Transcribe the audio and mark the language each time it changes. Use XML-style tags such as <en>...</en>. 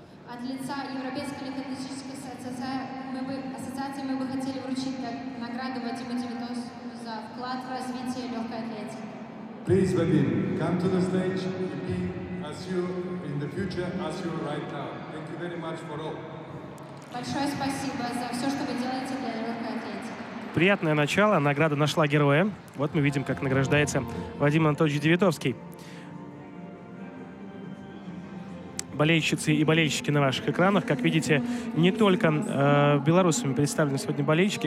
<ru>От лица Европейской легкоатлетической ассоциации мы бы хотели вручить награду Вадиму Девятовскому за вклад в развитие легкой атлетики.</ru> <en>Please, Vadim, come to the stage and be as you in the future, as you right now. Thank you very much for all.</en> <ru>Большое спасибо за все, что вы делаете для легкой атлетики. Приятное начало, награда нашла героя. Вот мы видим, как награждается Вадим Анатольевич Девятовский. Болельщицы и болельщики на ваших экранах. Как видите, не только белорусами представлены сегодня болельщики.</ru>